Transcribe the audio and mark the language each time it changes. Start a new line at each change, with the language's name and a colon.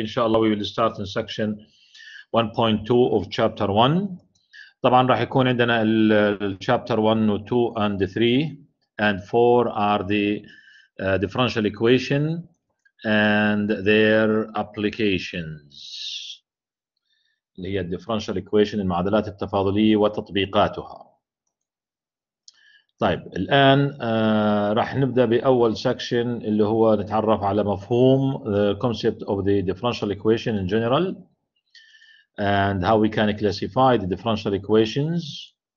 Arabic: ان شاء الله
English: we will start in section 1.2 of chapter 1.
Arabic: طبعا راح يكون عندنا
English: chapter 1 و 2 and 3 and 4 are the differential equation and their applications.
Arabic: اللي هي differential equation، المعادلات التفاضلية وتطبيقاتها. طيب الآن راح نبدأ بأول section اللي هو نتعرف على مفهوم
English: the concept of the differential equation in general and how we can classify the differential equations.